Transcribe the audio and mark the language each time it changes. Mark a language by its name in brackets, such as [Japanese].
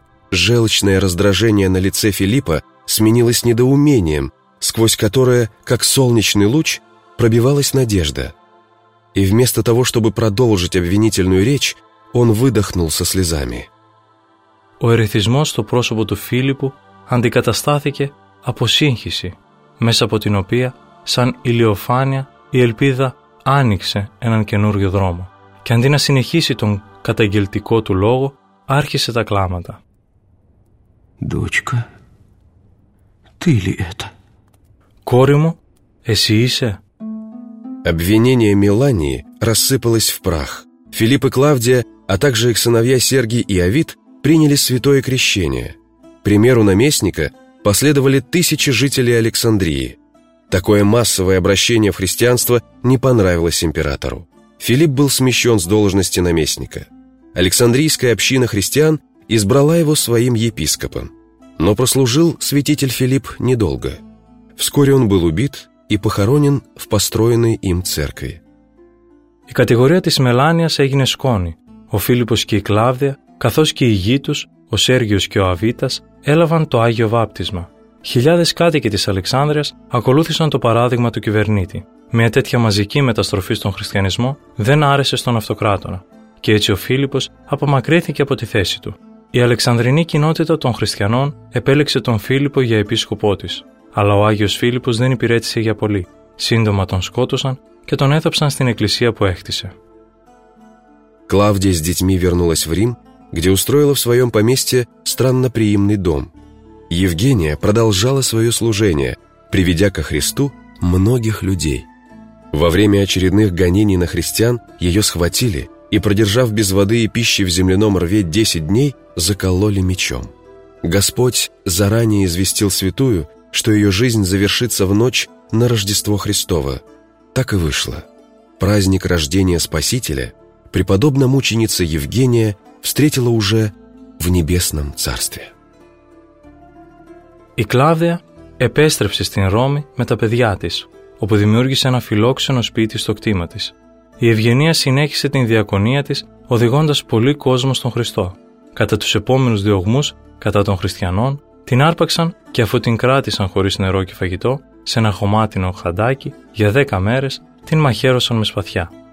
[Russian] Желчное раздражение на лице Филиппа сменилось недоумением, сквозь которое, как солнечный луч, пробивалась надежда. И вместо того, чтобы продолжить обвинительную речь, он выдохнул со слезами. [Greek] Ο ερεθισμός στο πρόσωπο του Φίλιππου αντικαταστάθηκε από σύγχυση, μέσα από την οποία, σαν ηλιοφάνεια, η ελπίδα άνοιξε έναν καινούριο δρόμο. Και αντί να συνεχίσει τον καταγγελτικό του λόγο, άρχισε τα κλάματα. [Russian] Дочка, ты ли это? [Greek] Κόρη μου, εσύ είσαι? [Russian] Обвинение Мелании рассыпалось в прах. Филипп и Клавдия, а также их сыновья Сергий и Авид, приняли святое крещение. Примеру наместника последовали тысячи жителей Александрии. Такое массовое обращение в христианство не понравилось императору. Филипп был смещен с должности наместника. Александрийская община христиан избрала его своим епископом. Но прослужил святитель Филипп недолго. Вскоре он был убит и похоронен в построенной им церкви. [Greek] Η κατηγορία της Μελάνιας έγινε σκόνη. Ο Φίλιππος και η Κλάβδια, καθώς και οι γιοί τους, ο Σέργιος και ο Αβίτας, έλαβαν το Άγιο Βάπτισμα. Χιλιάδες κάτοικοι της Αλεξάνδρειας ακολούθησαν το παράδειγμα του κυβερνήτη. Μια τέτοια μαζική μεταστροφή στον χριστιανισμό δεν άρεσε στον αυτοκράτορα. Και έτσι ο Φίλιππος απομακρύθηκε από τη θέση του. Η Αλεξανδρινή κοινότητα των χριστιανών επέλεξε τον Φίλιππο για επίσκοπό της. Αλλά ο Άγιος Φίλιππος δεν υπηρέτησε για πολύ. Σύντομα τον σκότωσαν και τον έθαψαν στην εκκλησία που έκτισε. [Russian] Клавдия с детьми вернулась в Рим, где устроила в своем поместье странноприимный дом. Евгения продолжала свое служение, приведя ко Христу многих людей. Во время очередных гонений на христиан ее схватили и, продержав без воды и пищи в земляном рве 10 дней, закололи мечом. Господь заранее известил святую, что ее жизнь завершится в ночь на Рождество Христово. Так и вышло. Праздник рождения Спасителя – преподобна мученица Евгения встретила уже в небесном царстве. [Greek] Η Κλάβδια επέστρεψε στην Ρώμη με τα παιδιά της, όπου δημιούργησε ένα φιλόξενο σπίτι στο κτήμα της. Η Ευγενία συνέχισε την διακονία της, οδηγώντας πολύ κόσμο στον Χριστό. Κατά τους επόμενους διωγμούς, κατά των χριστιανών, την άρπαξαν και αφού την κράτησαν χωρίς νερό και φαγητό, σε ένα χωμάτινο χαντάκι, για 10 μέρες, την μαχαίρωσαν με σπαθιά.